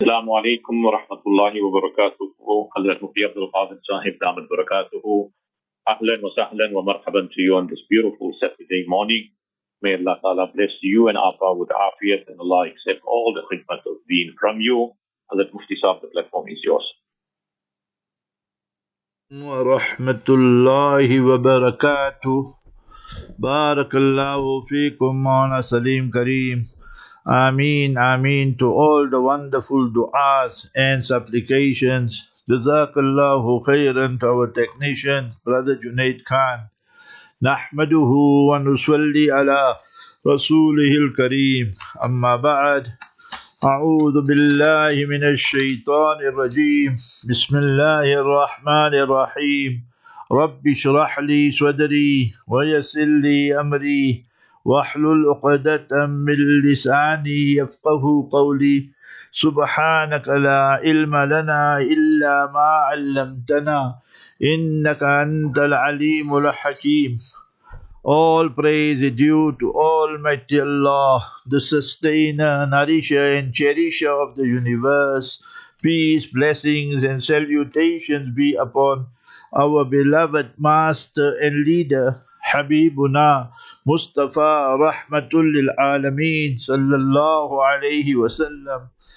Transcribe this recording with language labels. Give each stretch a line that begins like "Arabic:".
Arabic: السلام عليكم ورحمة الله وبركاته، حضرة مفتي عبد الفاضل صاحب دام البركاته، أهلا وسهلا ومرحبا
English: to you on this beautiful Saturday morning. May Allah Ta'ala bless you and Afa with Afiyat and Allah accept all the khidmat of being from you. حضرة مفتي صاحب, the platform is yours.
Arabic: ورحمة الله وبركاته. بارك الله فيكم وانا سليم كريم.
English: Ameen, ameen to all the wonderful du'as and supplications. Jazakallahu khayran to our technician, Brother Junaid Khan.
Arabic: Nahmaduhu wa nuswalli ala rasulihil kareem. Amma ba'd. A'udhu billahi minash shaytanir rajim. Bismillahir rahmanir rahim. Rabbi shrahli swadri wa yasilli amri. واحلل عقدة من لساني يفقه قولي سبحانك لا علم لنا إلا ما علمتنا إنك أنت العليم الحكيم.
English: All praise is due to Almighty Allah, the sustainer, nourisher and cherisher of the universe. Peace, blessings and salutations be upon our beloved master and leader Habibuna Mustafa Rahmatul Alameen Sallallahu Alaihi Wasallam.